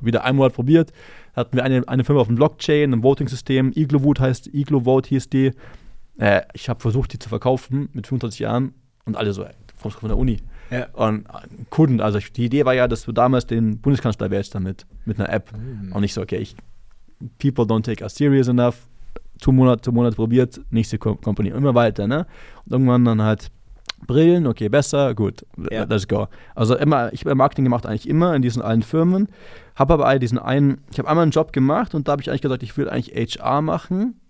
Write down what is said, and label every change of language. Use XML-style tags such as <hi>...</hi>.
<de>Wieder einen Monat probiert, hatten wir eine Firma auf dem Blockchain, einem Voting-System, Iglovote hieß die. Ich habe versucht, die zu verkaufen mit 25 Jahren und alle so, kommst du von der Uni? Ja. Und Kunden, also die Idee war ja, dass du damals den Bundeskanzler wählst damit, mit einer App. Mhm. Und ich so,</de> <en>okay, people don't take us serious enough.</en> <de>Two Monate probiert, nächste Company, immer weiter, ne? Und irgendwann dann halt Brillen, okay, besser, gut,</de> <en>Let's go.</en> <de>Also immer, ich habe Marketing gemacht eigentlich immer in diesen allen Firmen, habe aber einmal einen Job gemacht und da habe ich eigentlich gesagt, ich will eigentlich HR machen.</de>